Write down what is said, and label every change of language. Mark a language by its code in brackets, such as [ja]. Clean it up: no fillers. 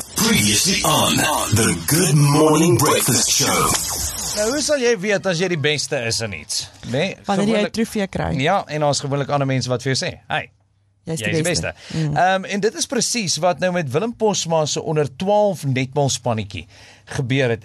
[en] Previously on the Good Morning Breakfast Show. [af] Nou, hoe sal jy weet as jy die beste is in iets? Nee, wanneer jy 'n trofee kry. Ja, en ons gewoonlik ander mense wat vir jou sê, hey, jy is die beste. En dit is precies wat nou met Willem Postma se onder 12 netbalspannetjie gebeur het.